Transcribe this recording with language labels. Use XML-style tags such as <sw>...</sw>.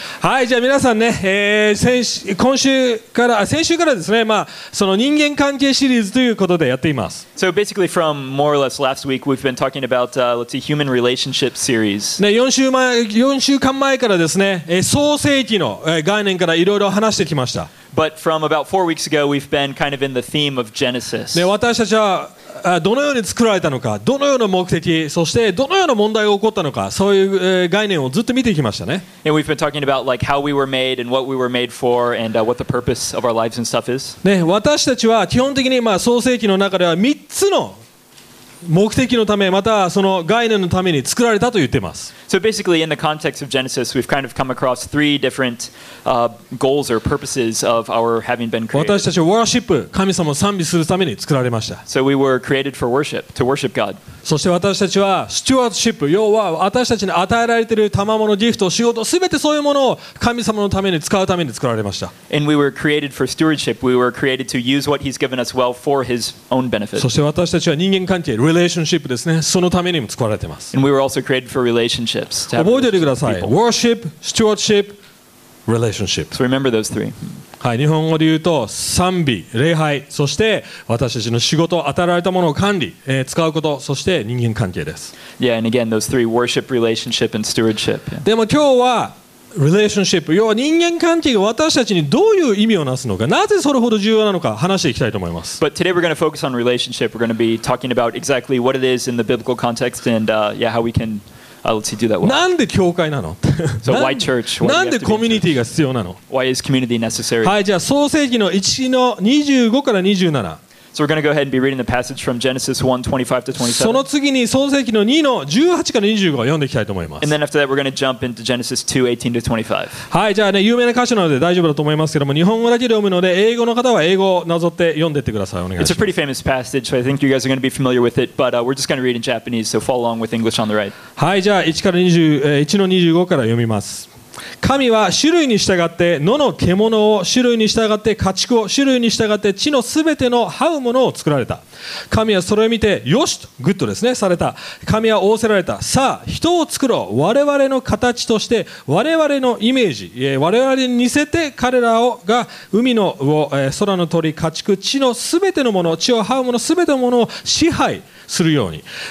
<ja>はい、じゃあ皆さんね、先週からですね、まあ、その人間関係シリーズということでやっています。</ja> <en>So basically from more or less last week, we've been talking about, let's see, human relationship series.</en> <ja>ね、4週間前からですね、創世記の概念からいろいろ話してきました。</ja> <en>But from about 4 weeks ago, we've been kind of in the theme of Genesis.</en> <ja>ね、私たちはどのように作られたのか、どのような目的、そしてどのような問題が起こったのか、そういう概念をずっと見てきましたね。</ja> <en>And we've been talking about like how we were made and what we were made for and what the purpose of our lives and stuff is.</en> <ja>ね、私たちは基本的にまあ創世記の中では3つの目的のため、またその概念のために作られたと言ってます。</ja> <en>So basically in the context of Genesis, we've kind of come across three different goals or purposes of our having been created.</en> <ja>私たちはワーシップ、神様を賛美するために作られました。</ja> <en>So we were created for worship, to worship God.</en> <ja>そして私たちはスチュワードシップ、要は私たちに与えられている賜物、ギフト、仕事、すべてそういうものを神様のために使うために作られました。</ja> <en>And we were created for stewardship. We were created to use what he's given us well for his own benefit.</en> <ja>そして私たちは人間関係、relationship ですね。そのためにも作られてます。</ja> <en>And we were also created for relationships.</en> <ja>覚えててください。</ja> <en>Worship, stewardship, relationship. So remember those three.</en> <ja>はい、日本語で言うと賛美、礼拝、そして私たちの仕事、与えられたものを管理、使うこと、そして人間関係です。</ja> <en>Yeah, and again, those three: worship, relationship, and stewardship. Yeah.</en> <ja>でも今日は relationship、要は人間関係が私たちにどういう意味をなすのか、なぜそれほど重要なのか話していきたいと思います。</ja> <en>But today we're going to focus on relationship. We're going to be talking about exactly what it is in the biblical context and yeah, how we can let's see, do that well.</en> <ja>なんで教会なの？</ja> <en>So why church?</en> <ja>なんでコミュニティが必要なの？</ja> <en>Why is community necessary?</en> <ja>はい、じゃあ創世記の1の25から27。</ja> <en>So we're going to go ahead and be reading the passage from Genesis 1, 25 to 27.</en> <ja>その次に創世記の2の18から25を読んでいきたいと思います。</ja> <en>And then after that, we're going to jump into Genesis 2, 18 to 25.</en> <ja>はい、じゃあね、有名な箇所なので大丈夫だと思いますけども、日本語だけで読むので、英語の方は英語をなぞって読んでってください。お願いします。</ja> <en>It's a pretty famous passage, so I think you guys are going to be familiar with it, but we're just going to read in Japanese, so follow along with English on the right.</en> <ja>はい、じゃあ1から20、1の25から読みます。神は種類に従って野の獣を、種類に従って家畜を、種類に従って地のすべての這うものを作られた。神はそれを見てよしと、グッドですね、された。神は仰せられた、さあ人を作ろう、我々の形として、我々のイメージ、我々に似せて、彼らをが海の魚、空の鳥、家畜、地のすべてのもの、地を這うものすべてのものを支配するように。</ja>